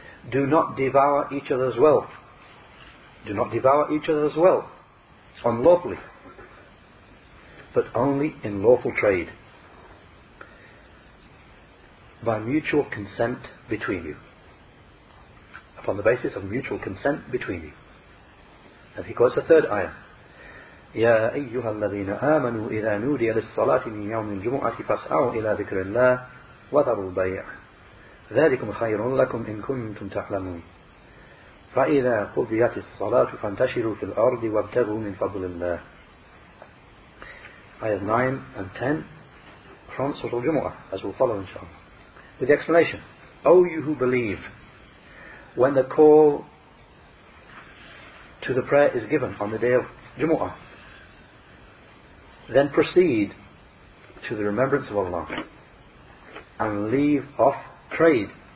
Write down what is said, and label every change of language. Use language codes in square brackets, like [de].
[en] do not devour each other's wealth. Do not devour each other's wealth unlawfully, but only in lawful trade, by mutual consent between you. Upon the basis of mutual consent between you. And he quotes the third ayah. [ar] يَا أَيُّهَا الَّذِينَ آمَنُوا إِذَا نُودِيَ لِلصَّلَاةِ مِنْ يَوْمِ الْجُمُعَةِ فَاسْعَوْا إِلَى ذِكْرِ اللَّهِ وَذَرُوا الْبَيْعِ ذَلِكُمْ خَيْرٌ لَكُمْ إِن كُنْتُمْ تَعْلَمُونَ فَإِذَا قُضِيَتِ الصَّلَاةُ فَانْتَشِرُوا فِي الْأَرْضِ وَابْتَغُوا مِنْ فَضْلِ اللَّهِ [en] Ayahs 9 and 10 from Surah Al-Jumu'ah, as we'll follow inshallah. With the explanation, O you who believe, when the call to the prayer is given on the day of Jumu'ah, then proceed to the remembrance of Allah and leave off trade.